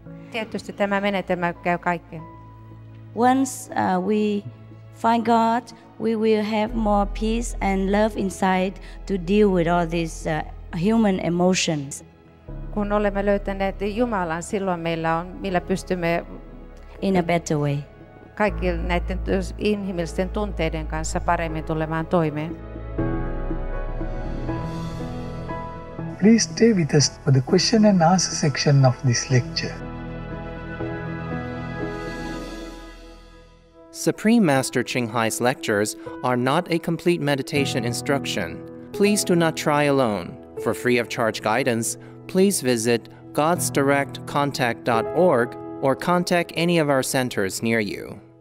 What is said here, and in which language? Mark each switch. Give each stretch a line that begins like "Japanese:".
Finnish: Tietysti tämä menetelmä käy kaikkeen.
English: Once we find God, we will have more peace and love inside to deal with all these human emotions.
Finnish: Kun olemme löytäneet Jumalan, silloin meillä on, millä pystymme
English: in a better way.
Finnish: Kaikki näiden inhimillisten tunteiden kanssa paremmin tulemaan toimeen.
English: Please stay with us for the question and answer section of this lecture. Supreme Master Qinghai's lectures are not a complete meditation instruction. Please do not try alone. For free of charge guidance, please visit godsdirectcontact.org or contact any of our centers near you.